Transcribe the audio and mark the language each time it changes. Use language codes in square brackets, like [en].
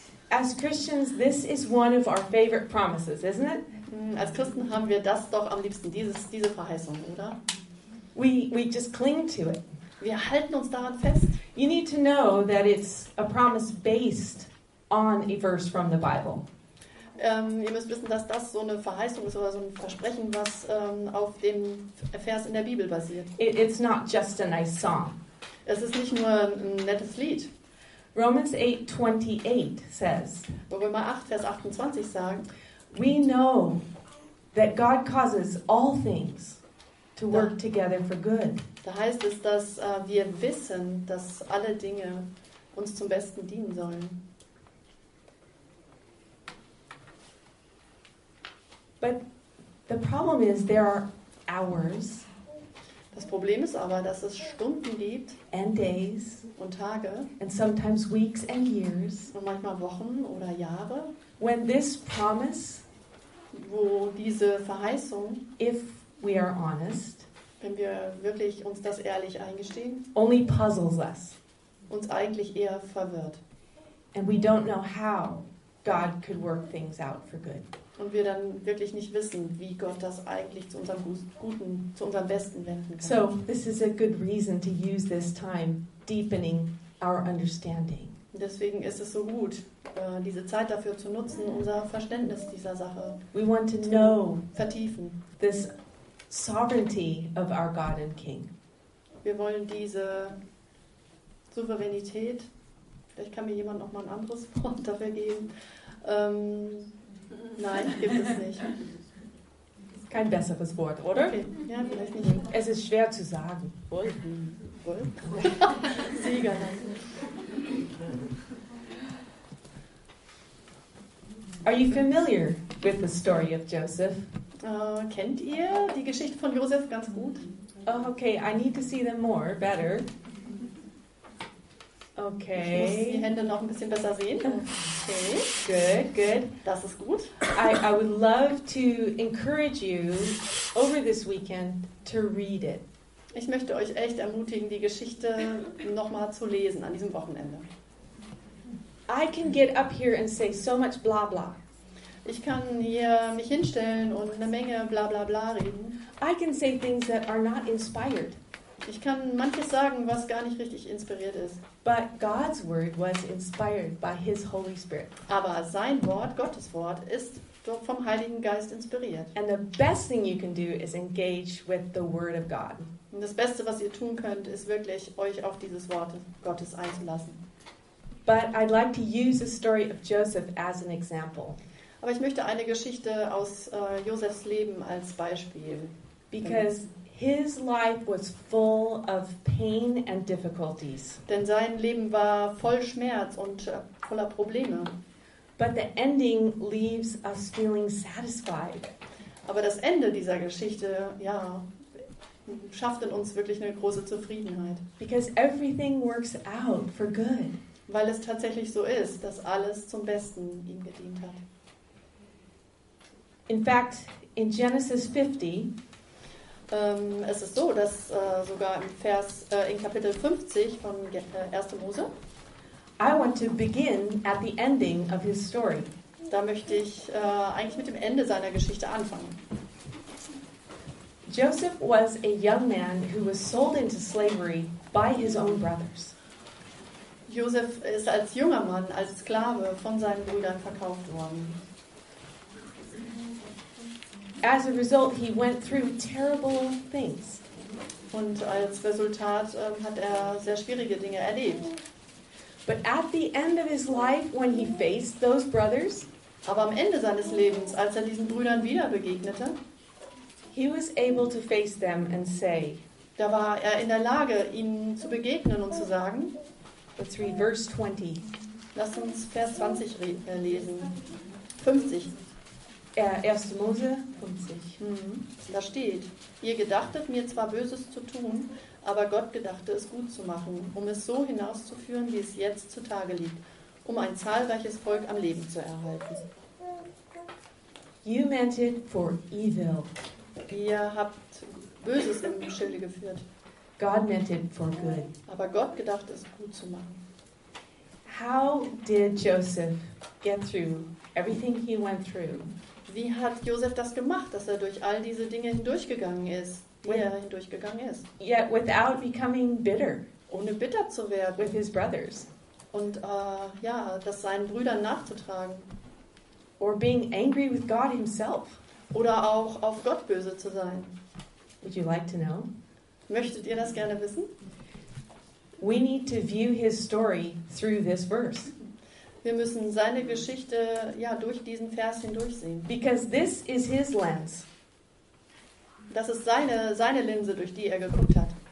[en] As Christians, this is one of our favorite promises, isn't it? [de] Als Christen haben wir das doch am liebsten, diese Verheißung, oder? [en] We just cling to it. [de] Wir halten uns daran fest. [en] You need to know that it's a promise based on a verse from the Bible. [de] Ihr müsst wissen, dass das so eine Verheißung ist oder so ein Versprechen, was auf dem Vers in der Bibel basiert. [en] It's not just a nice song. [de] Es ist nicht nur ein nettes Lied. [en] Romans 8:28 says. [de] Römer 8, Vers 28 sagt. [en] We know that God causes all things to work together for good. [de] Da heißt es, dass wir wissen, dass alle Dinge uns zum Besten dienen sollen. [en] But the problem is there are hours. [de] Das Problem ist aber, dass es Stunden gibt [en] and days [de] und Tage [en] and sometimes weeks and years [de] und manchmal Wochen oder Jahre, [en] when this promise, [de] wo diese Verheißung, [en] if we are honest, [de] wenn wir wirklich uns das ehrlich eingestehen, [en] only puzzles us, [de] uns eigentlich eher verwirrt. [en] And we don't know how God could work things out for good. [de] Und wir dann wirklich nicht wissen, wie Gott das eigentlich zu unserem Guten, zu unserem Besten wenden kann. [en] So, this is a good reason to use this time deepening our understanding. [de] Deswegen ist es so gut, diese Zeit dafür zu nutzen, unser Verständnis dieser Sache [en] we want to know [de] vertiefen. [en] This sovereignty of our God and King. [de] Wir wollen diese Souveränität, vielleicht kann mir jemand noch mal ein anderes Wort dafür geben. Nein, gibt es nicht. Kein besseres Wort, oder? Okay. Ja, vielleicht nicht. Es ist schwer zu sagen. Wolken. Sieger. [en] Are you familiar with the story of Joseph? [de] Kennt ihr die Geschichte von Joseph ganz gut? [en] Oh, okay, I need to see them more, better. Okay. [de] Ich muss die Hände noch ein bisschen besser sehen. [en] Okay. Good, good. [de] Das ist gut. [en] I would love to encourage you over this weekend to read it. [de] Ich möchte euch echt ermutigen, die Geschichte nochmal zu lesen an diesem Wochenende. [en] I can get up here and say so much blah blah. [de] Ich kann hier mich hinstellen und eine Menge bla bla bla reden. [en] I can say things that are not inspired. [de] Ich kann manches sagen, was gar nicht richtig inspiriert ist. [en] But God's word was inspired by his Holy Spirit. [de] Aber sein Wort, Gottes Wort, ist vom Heiligen Geist inspiriert. [en] And the best thing you can do is engage with the word of God. [de] Und das Beste, was ihr tun könnt, ist wirklich euch auf dieses Wort Gottes einzulassen. [en] But I'd like to use the story of Joseph as an example. [de] Aber ich möchte eine Geschichte aus Josefs Leben als Beispiel. [en] Because his life was full of pain and difficulties. [de] Denn sein Leben war voll Schmerz und voller Probleme. [en] But the ending leaves us feeling satisfied. [de] Aber das Ende dieser Geschichte, ja, schafft in uns wirklich eine große Zufriedenheit. [en] Because everything works out for good. [de] Weil es tatsächlich so ist, dass alles zum Besten ihm gedient hat. [en] In fact, in Genesis 50, [de] es ist so, dass sogar im Vers in Kapitel 50 von 1. Mose, [en] I want to begin at the ending of his story. [de] Da möchte ich eigentlich mit dem Ende seiner Geschichte anfangen. [en] Joseph was a young man who was sold into slavery by his own brothers. [de] Joseph ist als junger Mann, als Sklave von seinen Brüdern verkauft worden. [en] As a result, he went through terrible things. [de] Und als Resultat hat er sehr schwierige Dinge erlebt. [en] But at the end of his life, when he faced those brothers, [de] aber am Ende seines Lebens, als er diesen Brüdern wieder begegnete, [en] he was able to face them and say, [de] da war er in der Lage, ihnen zu begegnen und zu sagen, [en] let's read verse 20. [de] Lass uns Vers 20 lesen. 50. 1. Mose 50. Da steht, ihr gedachtet mir zwar Böses zu tun, aber Gott gedachte es gut zu machen, um es so hinauszuführen, wie es jetzt zutage liegt, um ein zahlreiches Volk am Leben zu erhalten. [en] You meant it for evil. [de] Ihr habt Böses im Schilde geführt. [en] God meant it for good. [de] Aber Gott gedachte es gut zu machen. [en] How did Joseph get through everything he went through? [de] Wie hat Joseph das gemacht, dass er durch all diese Dinge hindurchgegangen ist, [en] Yet without becoming bitter, [de] ohne bitter zu werden, [en] with his brothers, [de] und ja, das seinen Brüdern nachzutragen, [en] or being angry with God himself, [de] oder auch auf Gott böse zu sein. [en] Would you like to know? [de] Möchtet ihr das gerne wissen? [en] We need to view his story through this verse. [de] Wir müssen seine Geschichte ja durch diesen Vers hindurch sehen. [en] Because this is his lens. [de] Das ist seine Linse, durch die er geguckt hat.